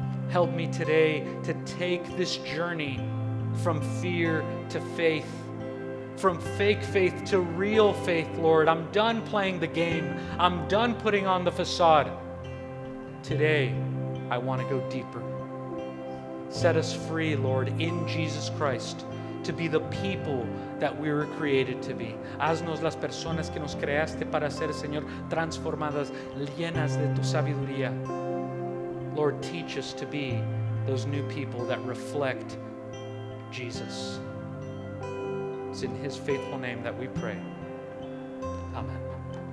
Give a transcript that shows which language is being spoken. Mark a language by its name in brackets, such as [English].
[English] Help me today to take this journey from fear to faith, from fake faith to real faith, Lord. I'm done playing the game. I'm done putting on the facade. Today, I want to go deeper. Set us free, Lord, in Jesus Christ, to be the people that we were created to be. [Spanish] Haznos las personas que nos creaste para ser, Señor, transformadas, llenas de tu sabiduría. [English] Lord, teach us to be those new people that reflect Jesus. It's in his faithful name that we pray. Amen.